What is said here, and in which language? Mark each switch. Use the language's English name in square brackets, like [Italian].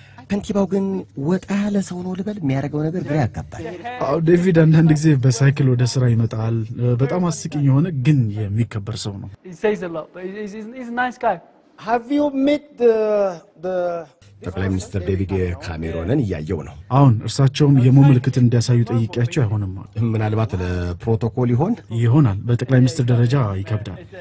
[Amharic] ከንቲባው ግን ወጣ ያለ ሰው ነው ልበል የሚያርገው ነገር ግራ ያጋባል። አው ዴቪድ አንዳንድ ጊዜ በሳይክል ወደ ስራ ይመጣል። በጣም አስቂኝ የሆነ ግን የሚከበር ሰው ነው። [English] He says a lot but he's a nice guy. Have you met the [Amharic] ጠቅላይ ሚኒስትር ዴቪድ ካሜሮንን እያየው ነው? አሁን እርሳቸውም የሞመልክት እንዲያሳዩ ጠይቂያቸው አይሆንም። ምናልባት ለፕሮቶኮል ይሆን? ይሆናል። በጠቅላይ ሚኒስትር ደረጃ ይከብዳል።